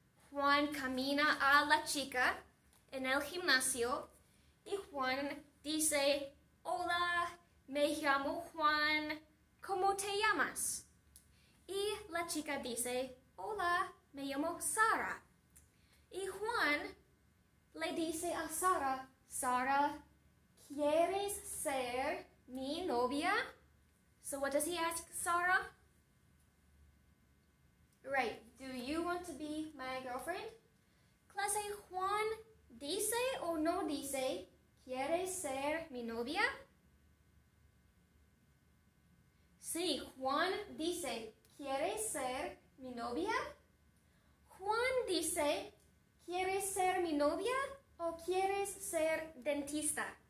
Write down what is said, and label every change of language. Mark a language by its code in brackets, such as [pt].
[es] Juan camina a la chica en el gimnasio y Juan dice, "Hola, me llamo Juan, ¿cómo te llamas?" Y la chica dice, "Hola, me llamo Sara." Y Juan le dice a Sara, "Sara, ¿quieres ser mi novia?" [en] So what does he ask Sara? Right, do you want to be my girlfriend? [es] Clase, Juan dice o no dice, ¿quieres ser mi novia? Sí, Juan dice, ¿quieres ser mi novia? Juan dice, ¿quieres ser mi novia o quieres ser dentista?